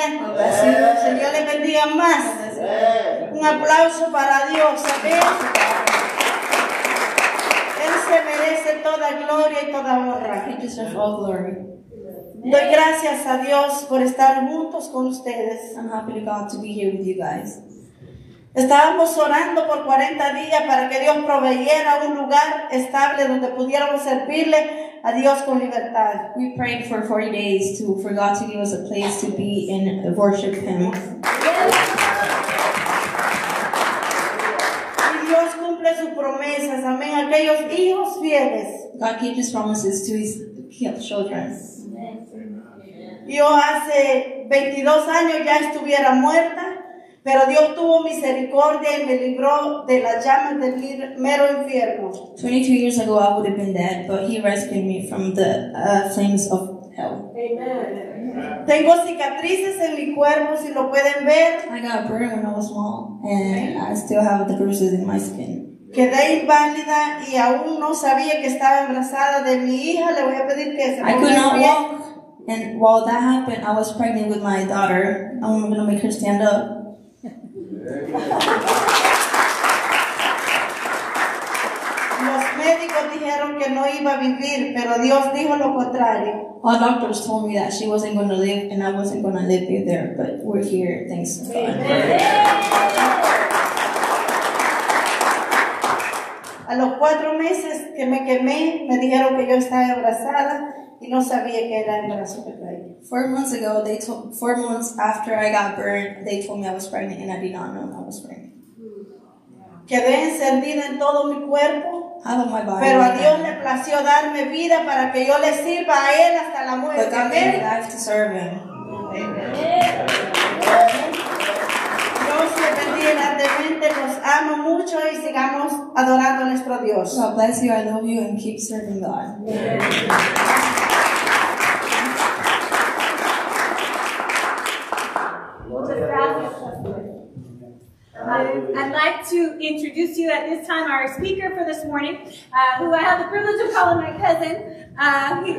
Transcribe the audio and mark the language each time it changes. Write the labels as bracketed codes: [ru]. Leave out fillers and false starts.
[es] Que el Señor les bendiga más. Un aplauso para Dios. Amén. Él se merece toda gloria y toda honra. [en] He deserves all glory. [es] Doy gracias a Dios por estar juntos con ustedes. [en] I'm happy to God to be here with you guys. [es] Estábamos orando por 40 días para que Dios proveyera un lugar estable donde pudiéramos servirle a Dios con libertad. [en] We prayed for 40 days for God to give us a place to be and worship Him. [es] Y Dios cumple sus promesas. Amén. aquellos hijos fieles. [en] God keeps his promises to his children. [es] Yo hace 22 años ya estuviera muerta, pero Dios tuvo misericordia y me libró de las llamas del mero infierno. [en] 22 years ago I would have been dead, but he rescued me from the flames of hell. Amen. [es] Tengo cicatrices en mi cuerpo, si lo pueden ver. [en] I got burned when I was small, and I still have the bruises in my skin. [es] Quedé inválida y aún no sabía que estaba embarazada de mi hija. Le voy a pedir que se ponga bien. [en] I could not walk. And while that happened, I was pregnant with my daughter. I'm going to make her stand up. [es] Los médicos dijeron que no iba a vivir, pero Dios dijo lo contrario. [en] Our doctors told me that she wasn't going to live, and I wasn't going to live either, but we're here, thanks to God. Amen. [es] A los cuatro meses que me quemé, me dijeron que yo estaba embarazada. Y no sabía que era embarazo. [en] 4 months ago, they told. 4 months after I got burned, they told me I was pregnant, and I did not know I was pregnant. [es] Quedé encendida en todo mi cuerpo. [en] Out of my body. [es] Pero a Dios le plació darme vida para que yo le sirva a él hasta la muerte. [en] But God gave me life to serve him. [es] Amen. Dios le bendiga grandemente. Los amo mucho y sigamos adorando a nuestro Dios. [en] God bless you. I love you and keep serving God. Amen. I'd like to introduce you at this time our speaker for this morning, who I have the privilege of calling my cousin.